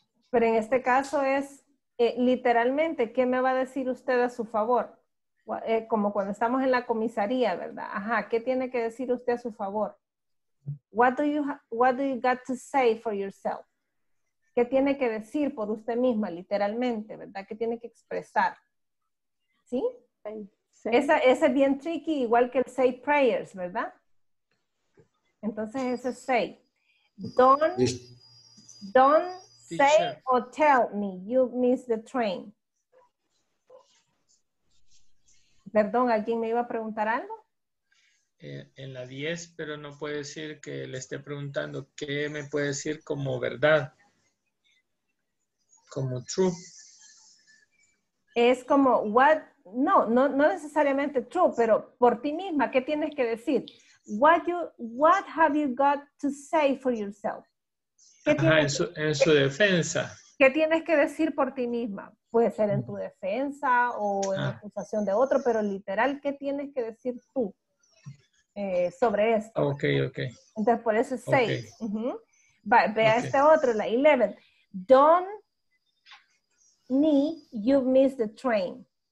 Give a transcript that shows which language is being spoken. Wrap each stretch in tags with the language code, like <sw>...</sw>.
<es>Pero en este caso es literalmente, ¿qué me va a decir usted a su favor? Como cuando estamos en la comisaría, ¿verdad? Ajá, ¿qué tiene que decir usted a su favor?</es> <en>What do you got to say for yourself?</en> <es>¿Qué tiene que decir por usted misma, literalmente, verdad? ¿Qué tiene que expresar? ¿Sí? Esa es bien tricky, igual que el say prayers, ¿verdad? Entonces ese es say.</es> <en>Don't say or tell me you missed the train.</en> <es>Perdón, ¿alguien me iba a preguntar algo? En la 10, pero no puede decir que le esté preguntando qué me puede decir como verdad, como true. Es como, what, no necesariamente true, pero por ti misma, ¿qué tienes que decir?</es> <en>What have you got to say for yourself?</en> <es>En su defensa. ¿Qué tienes que decir por ti misma? Puede ser en tu defensa o en la acusación de otro, pero literal, ¿qué tienes que decir tú? Sobre esto.</es> <en>Okay.</en> <es>Entonces, por eso es 6. Okay. Uh-huh. Vea okay. Este otro, la 11.</es> <en>Don't me, you've missed the train.</en>